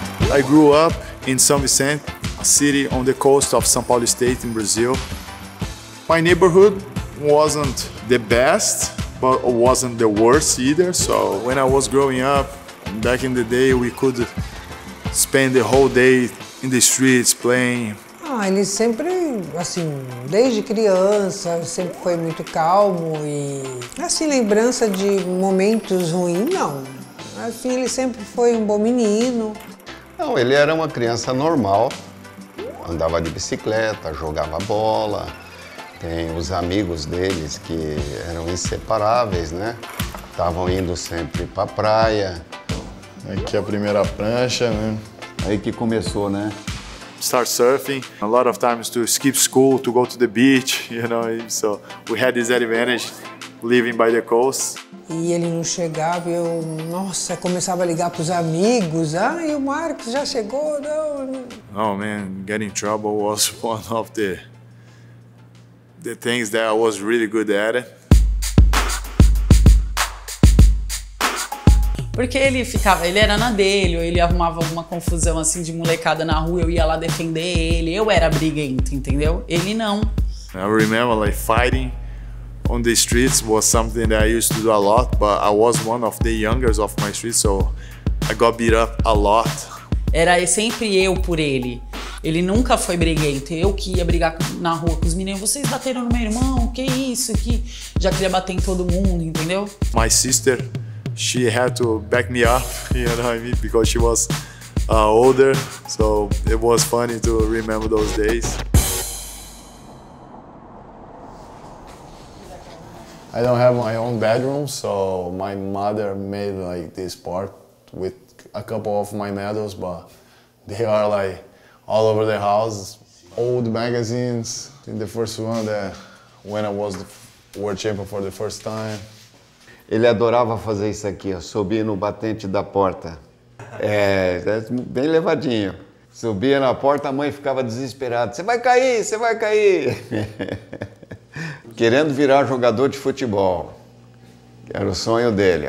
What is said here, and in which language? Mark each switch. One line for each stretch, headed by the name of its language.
English: I grew up in São Vicente, a city on the coast of São Paulo State in Brazil. My neighborhood wasn't the best, but it wasn't the worst either. So when I was growing up, back in the day, we could spend the whole day in the streets playing.
Portuguese: Ah, ele sempre assim, desde criança, sempre foi muito calmo e, assim, lembrança de momentos ruins, não. Assim, ele sempre foi um bom menino. Não, ele era uma criança normal. Andava de bicicleta, jogava bola. Tem os amigos deles que eram inseparáveis, né? Estavam indo sempre pra praia. Aqui a primeira prancha, né? Aí que começou, né?
English: Start surfing. A lot of times to skip school, to go to the beach, you know. So we had this advantage living by the coast.
Portuguese: E ele não chegava, eu, nossa, começava a ligar pros amigos. Ah, e o Marcos já chegou, não.
English: Oh man, getting in trouble was one of the things that I was really good at.
Portuguese: Porque ele ficava, ele era na dele, ou ele arrumava alguma confusão assim de molecada na rua, eu ia lá defender ele, eu era briguento, entendeu? Ele não.
English: I remember like fighting on the streets was something that I used to do a lot, but I was one of the youngers of my street, so I got beat up a lot.
Portuguese: Era sempre eu por ele. Ele nunca foi briguento. Eu que ia brigar na rua com os meninos. Vocês bateram no meu irmão, que isso aqui? Já queria bater em todo mundo, entendeu?
English: My sister, she had to back me up, you know what I mean? Because she was older, so it was funny to remember those days. I don't have my own bedroom, so my mother made like this part with a couple of my medals, but they are like all over the house. Old magazines, I think the first one that when I was the world champion for the first time.
Portuguese: Ele adorava fazer isso aqui, ó, subir no batente da porta. É, bem levadinho. Subia na porta, a mãe ficava desesperada. Você vai cair, você vai cair. Querendo virar jogador de futebol. Era o sonho dele.